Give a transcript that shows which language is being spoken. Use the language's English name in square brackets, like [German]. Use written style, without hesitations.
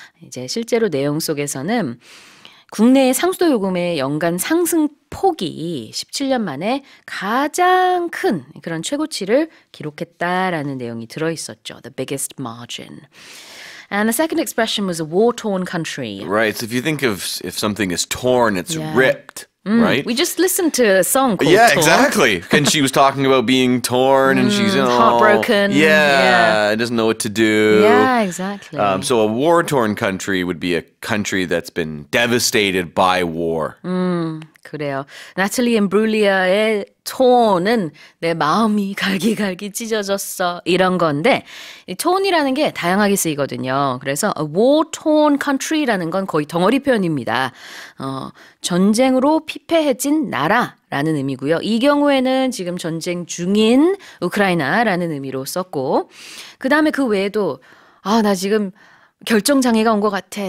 [Korean] 이제 실제로 내용 속에서는 국내의 상수도 요금의 연간 상승폭이 17년 만에 가장 큰 그런 최고치를 기록했다라는 내용이 들어있었죠. [English] The biggest margin. And the second expression was a war-torn country. Right. So if you think of if something is torn, it's yeah. ripped. Mm. Right. We just listened to a song called Yeah, torn. Exactly. And she was talking about being torn and she's oh, heartbroken. Yeah. Doesn't know what to do. Yeah, exactly. So a war-torn country would be a country that's been devastated by war. [Korean] 그래요. 나탈리 임브룰리아의 torn은 내 마음이 갈기갈기 찢어졌어. 이런 건데 이 torn이라는 게 다양하게 쓰이거든요. 그래서 [English] a war-torn country [Korean] 라는 건 거의 덩어리 표현입니다. 전쟁으로 피폐해진 나라라는 의미고요. 이 경우에는 지금 전쟁 중인 우크라이나라는 의미로 썼고 그 다음에 그 외에도 아, 나 지금 결정장애가 온 것 같아.